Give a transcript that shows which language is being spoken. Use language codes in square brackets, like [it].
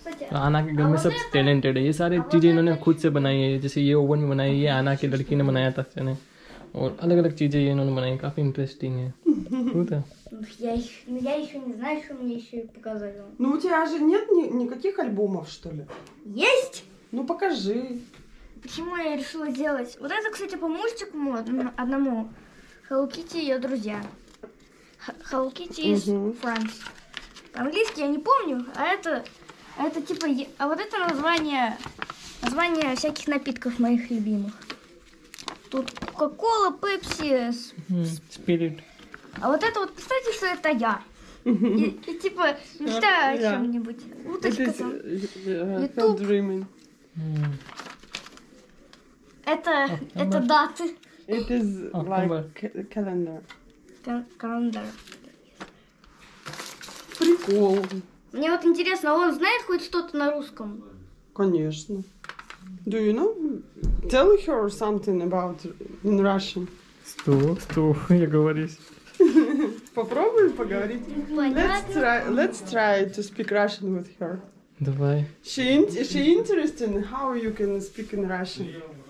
[hi] आना के घर में सब टैलेंटेड है, ये सारे चीजें इन्होंने खुद से बनाई है, जैसे ये ओवन में बनाई, ये आना की लड़की ने बनाया था इसने, और अलग अलग चीजें ये इन्होंने बनाई, काफी इंटरेस्टिंग है. [ru] Я еще не знаю, что мне еще показали. Ну у тебя же нет никаких альбомов, что ли? Есть! Ну покажи. Почему я решила делать? Вот это, кстати, по мультику одному. Hello Kitty и ее друзья. Hello Kitty из Франс. Английский я не помню, а это типа... А вот это название всяких напитков моих любимых. Тут Coca-Cola, Pepsi, Spirit. А вот это вот, представьте, что это я. И типа, мечтаю о чем-нибудь. Уточка там. Ютуб. Dreaming. Это даты. [en] It is like calendar. Calendar. [ru] Прикол. Мне вот интересно, он знает хоть что-то на русском? Конечно. [en] Do you know? Tell her something about in Russian. [ru] Что? Я говорю. Попробуй поговорить. [en] Let's try to speak Russian with her. [ru] Давай. [en] She interested in how you can speak in Russian.